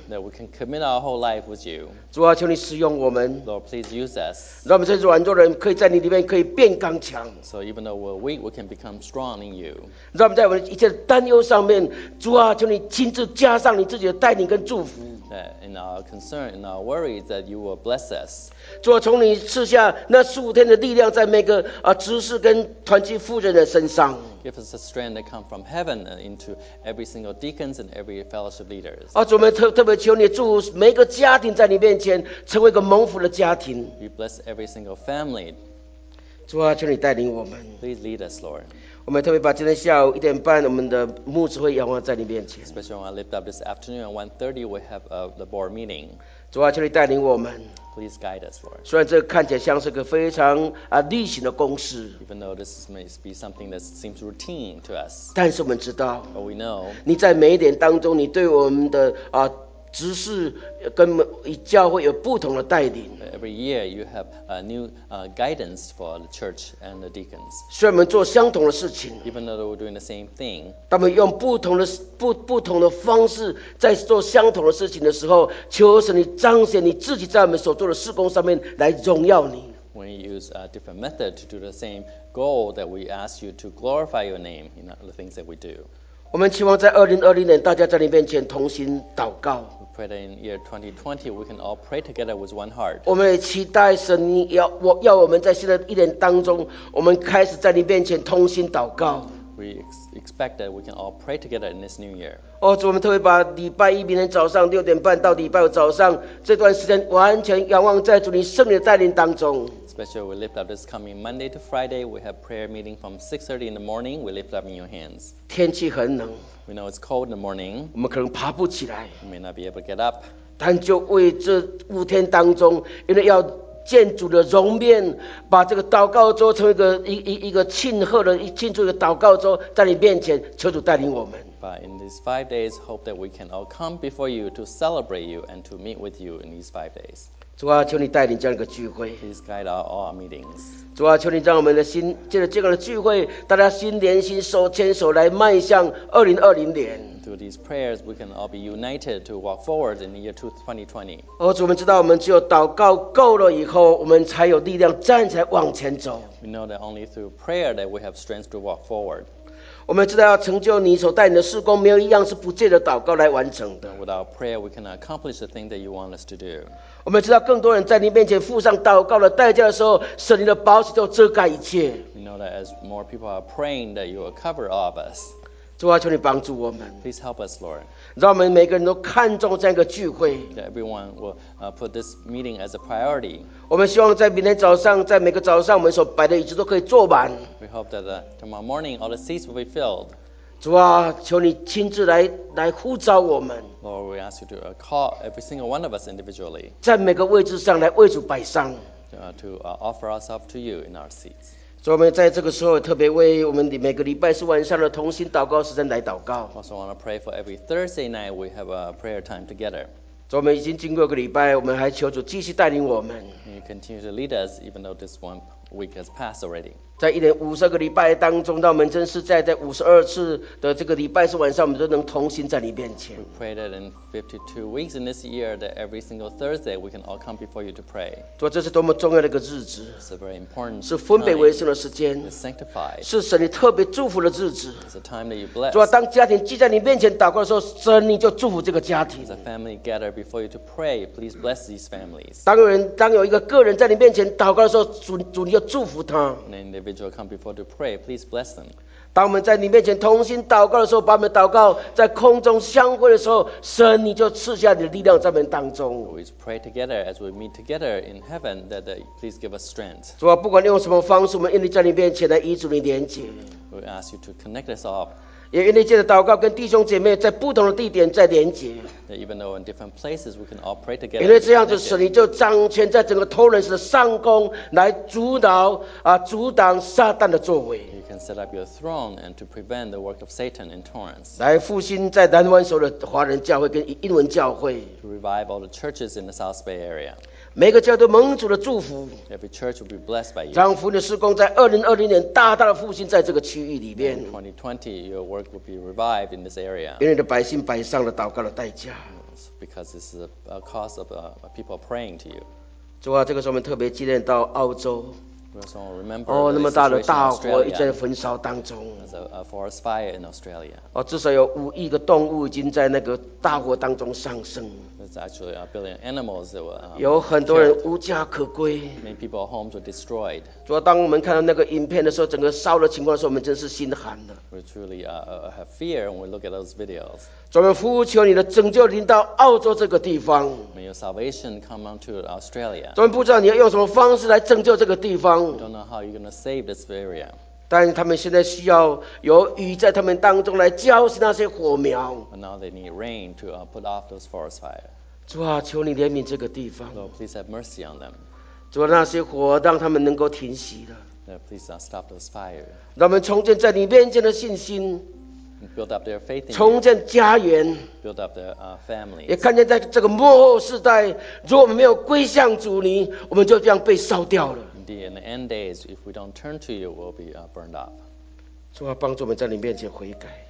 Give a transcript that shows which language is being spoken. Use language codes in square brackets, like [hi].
[en] That we can commit our whole life with you. [zh] 主啊，求你使用我们。 [en] Lord, please use us. [zh] 让我们这些软弱人可以在你里面可以变刚强。 [en] So even though we're weak, we can become strong in you. [zh] 让我们在我们一切的担忧上面，主啊，求你亲自加上你自己的带领跟祝福。 [en] That in our concern, in our worries, that you will bless us. [zh] 主啊，从你赐下那15天的力量，在每个执事跟团契负责人的身上。 [en] give us the strength that come from heaven into every single deacons and every fellowship leaders. [zh] 主，我们特别求你祝每个家庭在你面前成为一个蒙福的家庭。 [en] We bless every single family. [zh] 主啊，求你带领我们。 [en] Please lead us, Lord. [zh] 我们特别把今天下午一点半我们的牧师会仰望在你面前。 [en] Especially when I lift up this afternoon at 1:30, we have the board meeting. [zh] 主啊，求你带领我们。 [en] Please guide us, Lord. [zh] 虽然这看起来像是个非常例行的公事， [en] even though this may be something that seems routine to us, [zh] 但是我们知道， [en] but we know, [zh] 你在每一点当中，你对我们的执事跟教会有不同的带领。 [en] Every year you have a new guidance for the church and the deacons. [zh] 虽然我们做相同的事情， [en] even though we're doing the same thing, [zh] 当我们用不同的方式在做相同的事情的时候，求神你彰显你自己在我们所做的事工上面来荣耀你。 [en] When you use a different method to do the same goal that we ask you to glorify your name in the things that we do. [zh] 我们期望在2020年大家在你面前同心祷告。 [en] We pray that in year 2020 we can all pray together with one heart. [zh] 我们也期待神你 要我们在新的一年当中我们开始在你面前同心祷告。 [en] We expect that we can all pray together in this new year. [zh] 主，我们特别把礼拜一明天早上六点半到礼拜五早上这段时间完全仰望在主你圣灵的带领当中。 [en] Especially we lift up this coming Monday to Friday. We have prayer meeting from 6:30 in the morning. We lift up in your hands. [zh] 天气很冷。 [en] We know it's cold in the morning. [zh] 我们可能爬不起来。 [en] We may not be able to get up. [zh] 但就为这五天当中，因为要见主的容面，把这个祷告桌成为一个庆贺的庆祝的祷告桌，在你面前，求主带领我们。 [en] But in these 5 days, hope that we can all come before you to celebrate you and to meet with you in these 5 days. [zh] 主啊，求你带领这样一个聚会。 [en] Please guide all our meetings. [zh] 主啊，求你让我们的心，借着这样的聚会，大家心连心，手牵手来迈向2020年。 [en] Through these prayers, we can all be united to walk forward in the year 2020. [zh] 主，我们知道，我们只有祷告够了以后，我们才有力量站起来往前走。 [en] We know that only through prayer that we have strength to walk forward. [zh] 我们知道要成就你所带领的事工，没有一样是不借着祷告来完成的。 [en] Without prayer, we cannot accomplish the thing that you want us to do. [zh] 我们知道更多人在你面前付上祷告的代价的时候，神的宝血就遮盖一切。 [en] We know that as more people are praying, that you will cover all of us. [zh] 主啊，求你帮助我们。 [en] Please help us, Lord. [zh] 让我们每个人都看重这样一个聚会。 [en] That everyone will put this meeting as a priority. [zh] 我们希望在明天早上，在每个早上，我们所摆的椅子都可以坐满。 [en] We hope that tomorrow morning all the seats will be filled. [zh] 主啊，求你亲自来呼召我们。 [en] Lord, we ask you to call every single one of us individually. [zh] 在每个位置上来为主摆上。 [en] To offer ourselves to you in our seats. [zh] 所以我们在这个时候特别为我们每个礼拜四晚上的同心祷告时间来祷告。 [en] Also want to pray for every Thursday night we have a prayer time together. [zh] 所以我们已经经过一个礼拜，我们还求主继续带领我们。 [en] You continue to lead us even though this 1 week has passed already. [zh] 在一年52个礼拜当中，让我们真是在52次的这个礼拜四晚上，我们都能同心在你面前。 [en] We pray that in 52 weeks in this year that every single Thursday we can all come before you to pray. [zh] 主，这是多么重要的一个日子。 [en] It's a very important time. [zh] 是分别为圣的时间。 [en] It's sanctified. [zh] 是神你特别祝福的日子。 [en] It's a time that you bless. [zh] 主，当家庭聚在你面前祷告的时候，神你就祝福这个家庭。 [en] As a family gather before you to pray, please bless these families. [zh] 当有一个个人在你面前祷告的时候，主你就祝福他。 [en] Individual come before to pray, please bless them. [zh] 当我们在你面前同心祷告的时候，把我们祷告在空中相会的时候，神你就赐下你的力量在我们当中。 [en] We pray together as we meet together in heaven, that please give us strength. [zh] 主啊，不管用什么方式，我们愿意在你面前来与主你连接。 [en] We ask you to connect us all. [zh] 也愿意借着祷告跟弟兄姐妹在不同的地点在连结。 [en] Even though in different places we can all pray together. [zh] 因为这样子，神你就掌权在整个Torrance的上空，来阻挡撒旦的作为。 [en] You can set up your throne and to prevent the work of Satan in Torrance. [zh] 来复兴在南湾所有的华人教会跟英文教会。 [en] To revive all the churches in the South Bay area. [zh] 每个教会都蒙主的祝福。 [en] Every church will be blessed by you. [zh] 让福音的事工在2020年大大的复兴在这个区域里面。 [en] 2020, your work will be revived in this area. [zh] 因为你的百姓摆上了祷告的代价。 [en] Because this is a cause of people praying to you. [zh] 主啊，这个时候我们特别纪念到澳洲。 [en] We also remember the situation in [zh] Australia. 那么大的大火一直在焚烧当中。 [en] There's a forest fire in Australia. [zh] 至少有5亿个动物已经在那个大火当中丧生。 [en] There's actually a billion animals that were. [zh] 有很多人无家可归。 [en] Many people homes were destroyed. [zh] 主要当我们看到那个影片的时候，整个烧的情况的时候，我们真是心寒的。 [en] We truly have fear when we look at those videos. [zh] 主，我们呼求你的拯救临到澳洲这个地方。 [en] May your salvation come unto Australia. [zh] 主，我们不知道你要用什么方式来拯救这个地方。 [en] We don't know how you're going to save this area. [zh] 但他们现在需要有雨在他们当中来浇熄那些火苗。 [en] And now they need rain to put off those forest fires. [zh] 主啊，求你怜悯这个地方。 [en] Lord, please have mercy on them. [zh] 主啊，那些火让他们能够停息的。 [en] Lord, please stop those fires. [zh] 让我们重建在你面前的信心。 [en] Build up their faith in you. [zh] 重建家园。 [en] Build up their families. [zh] 也看见在这个末后世代，如果我们没有归向主你，我们就这样被烧掉了。 [en] In the end days, if we don't turn to you, we'll be burned up. [zh] 主啊，帮助我们在你面前悔改。